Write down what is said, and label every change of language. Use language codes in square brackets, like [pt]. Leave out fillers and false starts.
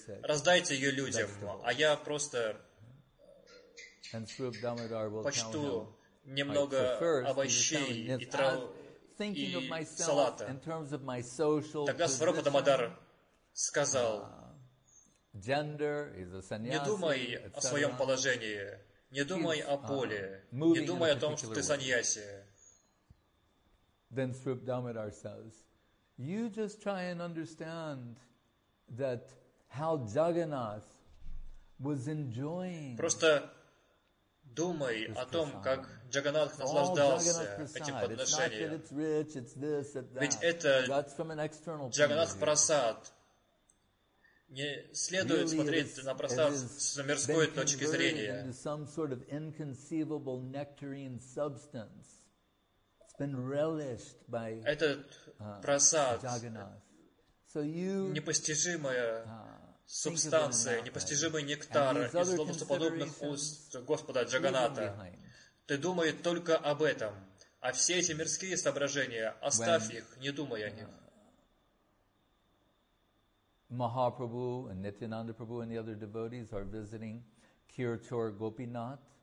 [ru] Раздайте ее людям, а я просто почту немного овощей и трав и салата. Тогда Сварупа Дамодар сказал: не думай о своем положении, не думай о поле, не думай о том, что ты саньяси. [en] Then Sarupa Damodar says, you just try and understand that how Jagannath was enjoying. [ru] Просто думай о том, как Джаганнат наслаждался этим подношением. [en] It's rich, it's this, it's [ru] ведь это Джаганнат прасад. Не следует [en] really [ru] смотреть на прасад с мирской точки зрения. Это [en] some sort of inconceivable nectarine substance. Been relished by Jagannath. So you [ru] непостижимая субстанция, непостижимый нектар из лотосоподобных уст Господа Джаганната. Ты думай только об этом, а все эти мирские соображения оставь их, не думай о них. [en] Mahaprabhu and Nityananda Prabhu and the other devotees are visiting Kirchor Gopinath.